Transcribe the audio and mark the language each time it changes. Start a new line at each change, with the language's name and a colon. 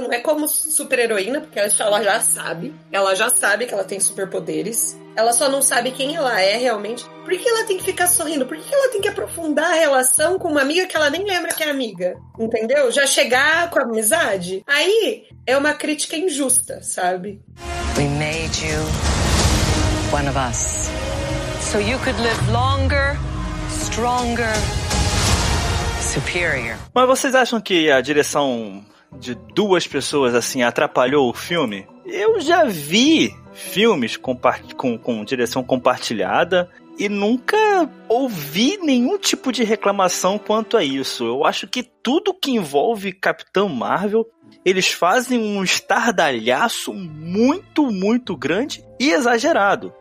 Portuguese: Não é como super-heroína, porque ela já sabe. Ela já sabe que ela tem superpoderes. Ela só não sabe quem ela é realmente. Por que ela tem que ficar sorrindo? Por que ela tem que aprofundar a relação com uma amiga que ela nem lembra que é amiga? Entendeu? Já chegar com a amizade? Aí é uma crítica injusta, sabe?
English: We made you one of us. So you could live longer, stronger, superior.
Portuguese: Mas vocês acham que a direção de duas pessoas assim atrapalhou o filme? Eu já vi filmes com direção compartilhada e nunca ouvi nenhum tipo de reclamação quanto a isso. Eu acho que tudo que envolve Capitão Marvel, eles fazem um estardalhaço muito, muito grande e exagerado.